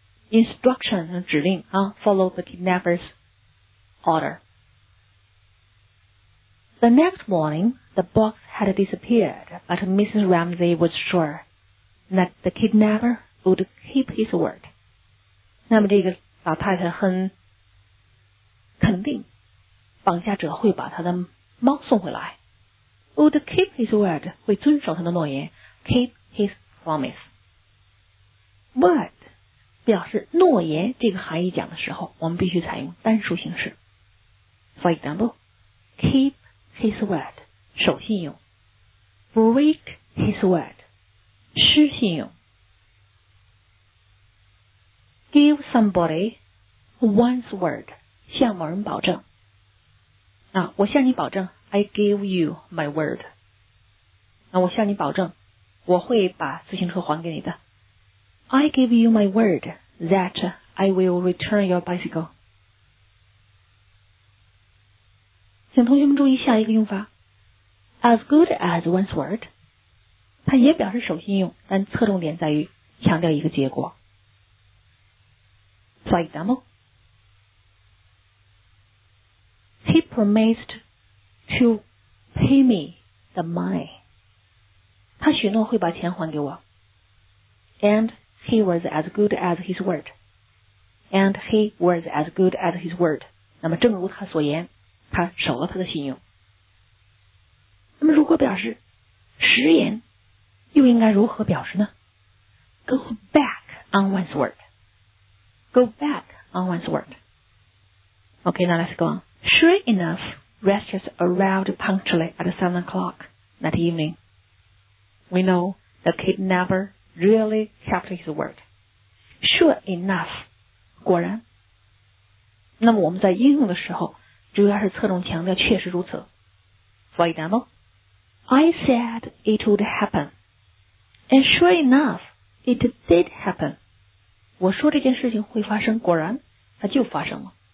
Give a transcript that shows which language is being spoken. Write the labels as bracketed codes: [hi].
[en] Instruction 指令啊 follow the kidnapper's order. The next morning, the box had disappeared, but Mrs. Ramsey was sure that the kidnapper would keep his word. [zh] 那么这个老太太很肯定绑架者会把他的猫送回来。 [en] Would keep his word, [zh] 会遵守他的诺言。 [en] Keep his promise. [zh] Word, 表示诺言这个含义讲的时候我们必须采用单数形式。 [en] For example, keep his word, [zh] 守信用。 [en] Break his word, [zh] 失信用。 [en] Give somebody one's word, [zh] 向某人保证。啊，我向你保证 [en] ,I give you my word. [zh] 啊，我向你保证我会把自行车还给你的。 [en] I give you my word that I will return your bicycle. [zh] 请同学们注意下一个用法。 [en] As good as one's word, [zh] 它也表示守信用但侧重点在于强调一个结果。 [en] For example, promised to pay me the money. [zh] 他许诺会把钱还给我。 [en] And he was as good as his word. And he was as good as his word. [zh] 那么正如他所言，他守了他的信用。那么如果表示食言，又应该如何表示呢？ [en] Go back on one's word. Go back on one's word. Okay, now let's go on. Sure enough, restaurants arrived punctually at 7 o'clock that evening. We know the kidnapper really kept his word. Sure enough, [zh] 果然。那么我们在应用的时候，主要是侧重强调确实如此。 [en] For example,I said it would happen. And sure enough, it did happen. [zh] 我说这件事情会发生，果然它就发生了。